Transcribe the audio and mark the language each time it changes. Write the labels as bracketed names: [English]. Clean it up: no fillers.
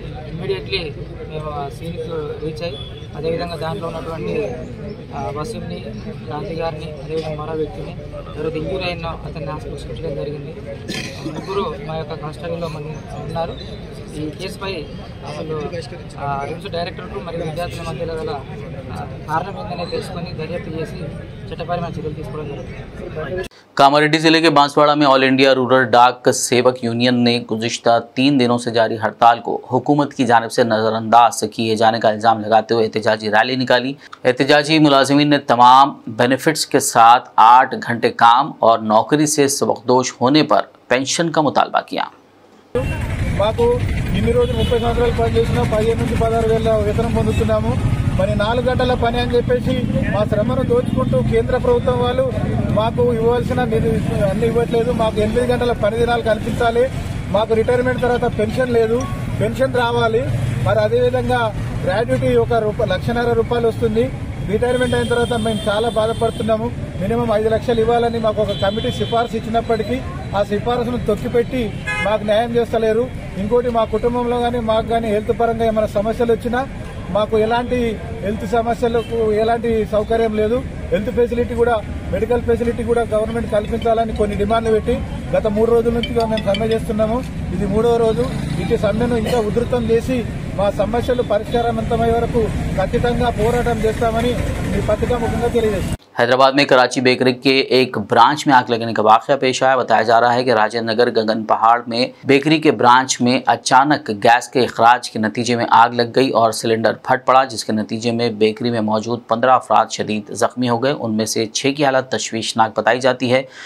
[Telugu] Immediately మేము సీన్కి reach అయ్యి అదేవిధంగా దాంట్లో ఉన్నటువంటి వసీంని, గాంధీ గారిని, అదేవిధంగా మరో వ్యక్తిని, ఎవరికి ఇంజురీ అయినా అతన్ని హాస్పిటల్ ఉంచడం జరిగింది. ముగ్గురు మా యొక్క కాన్స్టేబుల్లో మనం ఉన్నారు. ఈ కేసుపై అసలు రిమ్స్ డైరెక్టర్కు మరియు విద్యార్థుల మధ్యలో గల కారణం ఏంటనే తెలుసుకొని దర్యాప్తు చేసి చట్టపరమైన చర్యలు తీసుకోవడం జరిగింది. [Hindi] कामारेड्डी जिले के बांसवाड़ा में ऑल इंडिया रूरल डाक सेवक यूनियन ने गुज़िश्ता 3 दिनों से जारी हड़ताल को हुकूमत की जानिब से नज़रअंदाज किए जाने का इल्ज़ाम लगाते हुए एहतजाजी रैली निकाली। एहतजाजी मुलाजमीन ने तमाम बेनिफिट्स के साथ 8 घंटे काम और नौकरी से सबकदोश होने पर पेंशन का मुतालबा किया। [Telugu] మరి 4 గంటల పని అని చెప్పేసి మా శ్రమను దోచుకుంటూ కేంద్ర ప్రభుత్వం వాళ్ళు మాకు ఇవ్వాల్సిన నిధి అన్ని ఇవ్వట్లేదు. మాకు 8 గంటల పని దినాలు కల్పించాలి, మాకు రిటైర్మెంట్ తర్వాత పెన్షన్ లేదు, పెన్షన్ రావాలి. మరి అదేవిధంగా గ్రాడ్యుటీ 1.5 లక్షల రూపాయలు వస్తుంది. రిటైర్మెంట్ అయిన తర్వాత మేము చాలా బాధపడుతున్నాము. మినిమం 5 లక్షలు ఇవ్వాలని మాకు ఒక కమిటీ సిఫార్సు ఇచ్చినప్పటికీ ఆ సిఫార్సును తొక్కిపెట్టి మాకు న్యాయం చేస్తలేరు. ఇంకోటి మా కుటుంబంలో కానీ మాకు కానీ హెల్త్ పరంగా ఏమైనా సమస్యలు వచ్చినా మాకు ఎలాంటి హెల్త్ సమస్యలకు ఎలాంటి సౌకర్యం లేదు. హెల్త్ ఫెసిలిటీ కూడా, మెడికల్ ఫెసిలిటీ కూడా గవర్నమెంట్ కల్పించాలని కొన్ని డిమాండ్లు పెట్టి గత 3 రోజుల నుంచిగా మేము సమ్మె చేస్తున్నాము. ఇది 3వ రోజు. ఇటు సమ్మెను ఇంకా ఉధృతం చేసి మా సమస్యలు పరిష్కారం అంతమయ్యే వరకు ఖచ్చితంగా పోరాటం చేస్తామని ఈ పత్రికా ముఖంగా తెలియజేస్తాం. [Hindi] हैदराबाद में कराची बेकरी के एक ब्रांच में आग लगने का वाकया पेश आया। बताया जा रहा है कि राजेंद्र नगर गगन पहाड़ में बेकरी के ब्रांच में अचानक गैस के इखराज के नतीजे में आग लग गई और सिलेंडर फट पड़ा, जिसके नतीजे में बेकरी में मौजूद 15 अफराद शदीद जख्मी हो गए, उनमें से 6 की हालत तश्वीशनाक बताई जाती है।